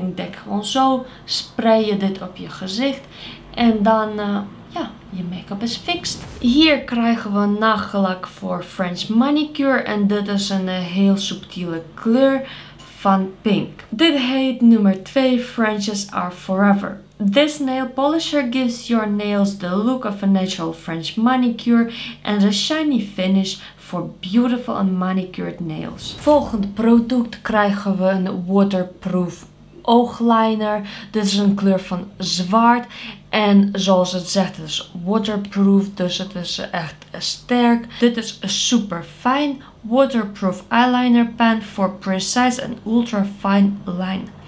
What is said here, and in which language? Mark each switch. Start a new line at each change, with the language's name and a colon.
Dutch: Ik denk gewoon zo. Spray je dit op je gezicht. En dan, ja, je make-up is fixed. Hier krijgen we nagellak voor French manicure. En dit is een heel subtiele kleur van pink. Dit heet nummer 2, Frenches Are Forever.
English: This nail polisher gives your nails the look of a natural French manicure and a shiny finish for beautiful and manicured nails.
Dutch: Volgend product krijgen we een waterproof oogliner. Dit is een kleur van zwart. En zoals het zegt, het is waterproof, dus het is echt sterk. Dit is een super fijn waterproof eyeliner pen voor precise en
English: ultra fine line.